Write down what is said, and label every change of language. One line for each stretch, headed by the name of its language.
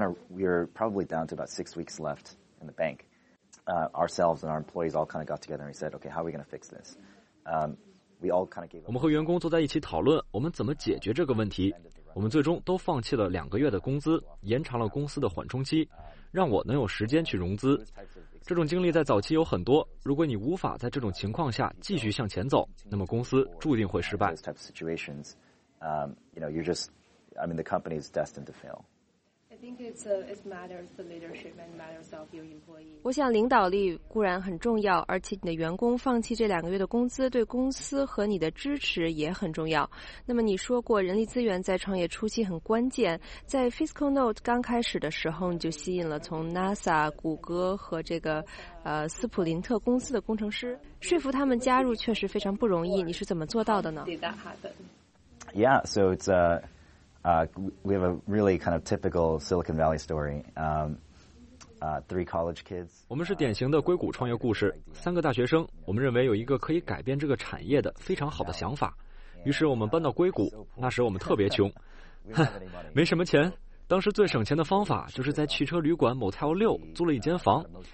English: We're probably down to about 6 weeks left in the bank. Ourselves and our employees all kind of got together and said, okay, how are we going to fix this?
Chinese: 我们和员工坐在一起讨论我们怎么解决这个问题，我们最终都放弃了2个月的工资，延长了公司的缓冲期，让我能有时间去融资。这种经历在早期有很多，如果你无法在这种情况下继续向前走，那么公司注定会失败。我想领导力固然很重要，而且你的员工放弃这两个月的工资对公司和你的支持也很重要。那么你说过人力资源在创业初期很关键，在 Fiscal Note 刚开始的时候你就吸引了从 NASA、 谷歌和这个斯普林特公司的工程师，说服他们加入确实非常不容易，你是怎么做到的呢？
English: Yeah, so it's a we have a really kind of typical Silicon Valley story. Three college kids.
Chinese: 我们是典型的硅谷创业故事，三个大学生，我们认为有一个可以改变这个产业的非常好的想法，于是我们搬到硅谷。那时我们特别穷，没什么钱。当时最省钱的方法就是在汽车旅馆 Motel 6租了一间房。